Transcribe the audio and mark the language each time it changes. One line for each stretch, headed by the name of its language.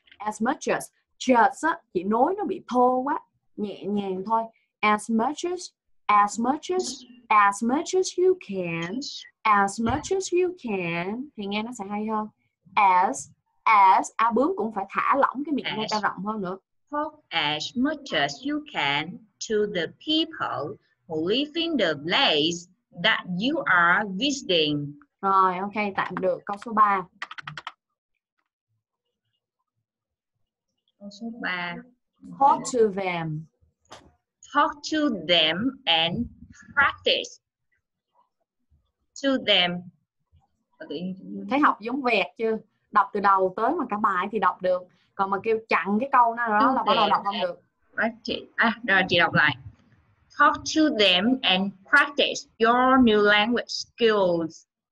English: As much as.
Vietnamese: Just chị nói nó bị thô quá. Nhẹ nhàng thôi.
English: As much as you can.
Vietnamese: Thì nghe nó sẽ hay hơn. Bướm cũng phải thả lỏng cái miệng ra rộng hơn nữa.
English: Talk as much as you can to the people who live in the place that you are visiting.
Vietnamese: Rồi, ok, tạm được. Câu số 3.
English: Talk to them and practice. To them.
Vietnamese: Thấy học giống vẹt chưa? Đọc từ đầu tới mà cả bài thì đọc được. Còn mà kêu chặn cái câu nó đó là bắt đầu đọc không được. Rồi chị đọc lại.
English: Talk to them and practice your new language skills.